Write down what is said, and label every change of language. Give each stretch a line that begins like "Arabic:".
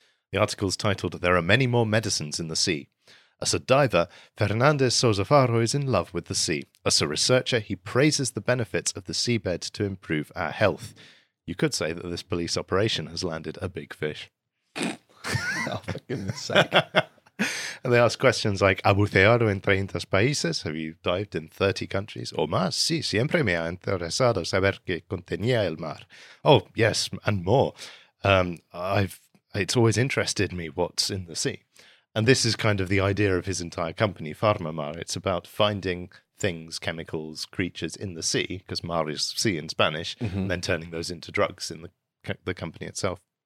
English: The article's titled, "There Are Many More Medicines in the Sea." As a diver, Fernandez Sozafaro is in love with the sea. As a researcher, he praises the benefits of the seabed to improve our health. You could say that this police operation has landed a big fish. Oh, for goodness sake. And they ask questions like,
Spanish: ¿Ha buceado en 30 países?
English: Have you dived in 30 countries?
Spanish: O más, sí, siempre me ha interesado saber qué contenía el mar.
English: Oh, yes, and more. It's always interested me what's in the sea. And this is kind of the idea of his entire company, PharmaMar. It's about finding things, chemicals, creatures in the sea, because mar is sea in Spanish, and then turning those into drugs in the company itself.